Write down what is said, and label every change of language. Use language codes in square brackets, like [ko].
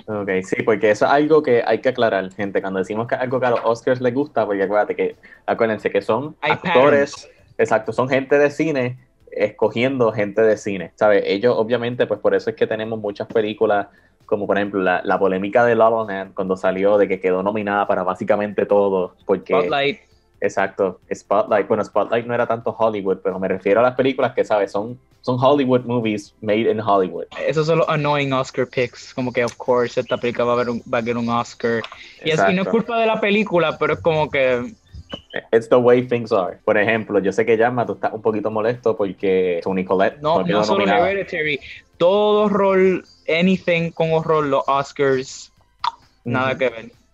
[es] Ok, sí, porque eso es algo que hay que aclarar, gente, cuando decimos que algo que a los Oscars les gusta, porque acuérdense que son actores, exacto, son gente de cine, escogiendo gente de cine, ¿sabes? Ellos, obviamente, pues por eso es que tenemos muchas películas, como por ejemplo la polémica de La La Land cuando salió, de que quedó nominada para básicamente todo, porque... Spotlight. Exacto, Spotlight. Bueno, Spotlight no era tanto Hollywood, pero me refiero a las películas que, ¿sabes? Son [en] Hollywood movies made in Hollywood. [es] Esos son los [en] annoying Oscar picks, [es] como que, [en] of course, [es] esta película va a ganar un Oscar. Y así no es culpa de la película, pero es como que... [en] It's the way things are. [es] Por ejemplo, yo sé que JanMa, tú estás un poquito molesto porque Toni Collette no quedó No, solo Hereditary. Todo horror, [en] anything [es] con horror, los Oscars, nada que ver.